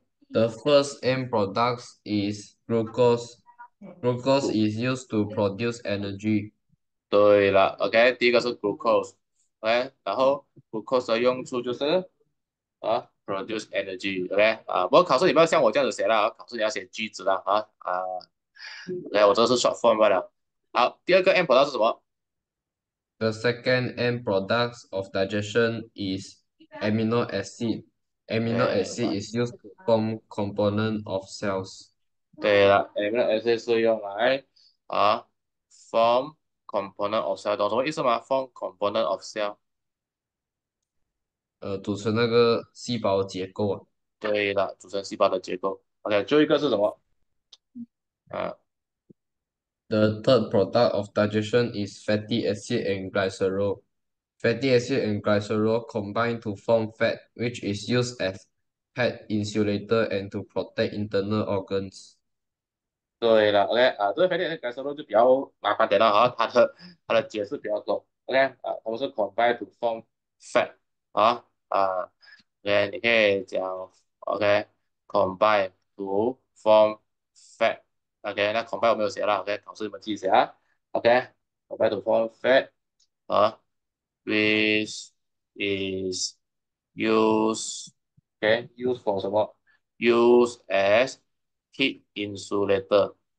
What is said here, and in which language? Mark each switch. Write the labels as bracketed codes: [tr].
[en] The first end product is glucose. Glucose is used to produce energy. [zh] 对了，OK，第一个是 glucose，OK，然后 glucose 的用处就是 [en] produce energy， [zh] OK，不过考试你不要像我这样子写了，考试你要写句子了来，我这是 short form 了。好，第二个 end product 是什么？ [en] The second end product of digestion is amino acid. Amino acid is used to form component of cells. [zh] 对了，MSA 是用来 [en] form component of cell， [zh] 懂什么意思吗？form component of cell。组成那个细胞结构啊。对了，组成细胞的结构。OK，最后一个是什么？ [en] The third product of digestion is fatty acid and glycerol. Fatty acid and glycerol combine to form fat, which is used as fat insulator and to protect internal organs. [zh] 对了，OK，这个 fatty acid glycerol 就比较麻烦点了哈，它的解释比较多。 OK，它们是 [en] combine to form fat， [zh] OK，你可以讲 OK，combine to form fat，OK，那 combine 我没有写了，OK，考试你们自己写啊。 [en] OK，combine to form fat，which is use for [zh] 什么？ [en] use as heat insulator。